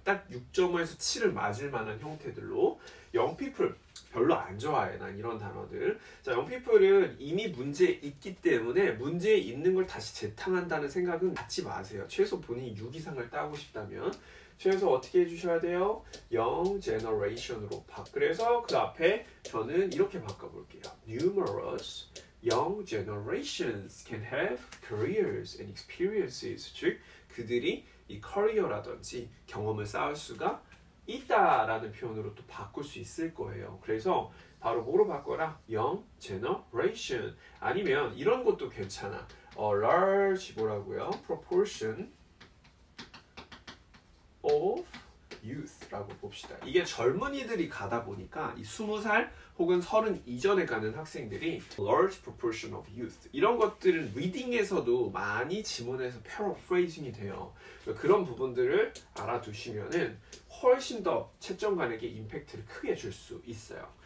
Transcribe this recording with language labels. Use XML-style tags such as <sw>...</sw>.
<ko>딱 6점에서 7을 맞을 만한 형태들로 Young People 별로 안 좋아해 난 이런 단어들. 자, Young People은 이미 문제 있기 때문에 문제 있는 걸 다시 재탕한다는 생각은 갖지 마세요. 최소 본인이 6 이상을 따고 싶다면 최소 어떻게 해주셔야 돼요? Young Generation으로 그래서 그 앞에 저는 이렇게 바꿔볼게요.</ko> <en>Numerous Young generations can have careers and experiences.</en> <ko>즉, 그들이 이 커리어라든지 경험을 쌓을 수가 있다라는 표현으로 또 바꿀 수 있을 거예요. 그래서 바로 뭐로 바꿔라?</ko> <en>Young generation.</en> <ko>아니면 이런 것도 괜찮아. Large 뭐라고요?</ko> <en>Proportion of youth라고</en> <ko>봅시다. 이게 젊은이들이 가다 보니까 이 20살 혹은 30 이전에 가는 학생들이</ko> <en>large proportion of youth</en> <ko>이런 것들은 리딩에서도 많이 지문에서 paraphrasing이 돼요. 그런 부분들을 알아두시면은 훨씬 더 채점관에게 임팩트를 크게 줄 수 있어요.</ko>